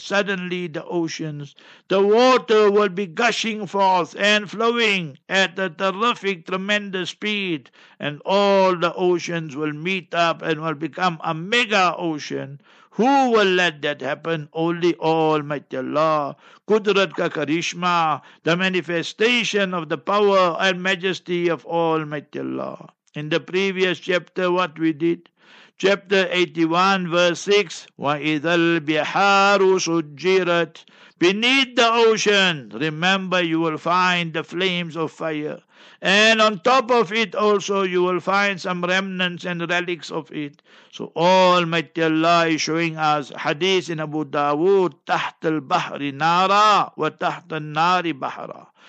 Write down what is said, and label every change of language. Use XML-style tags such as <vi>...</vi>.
<en>Suddenly the oceans, the water will be gushing forth and flowing at a terrific, tremendous speed, and all the oceans will meet up and will become a mega ocean. Who will let that happen? Only Almighty Allah. Qudrat ka karishma, the manifestation of the power and majesty of Almighty Allah. in the previous chapter what we did. Chapter 81, verse 6,</en> <ar>وَإِذَا الْبِحَارُ سُجِّرَتْ.</ar> <en>Beneath the ocean, remember, you will find the flames of fire. And on top of it also, you will find some remnants and relics of it. So Almighty Allah is showing us hadith in Abu Dawood,</en> <ar>تحت البحر نارا وتحت النار بحرا.</ar>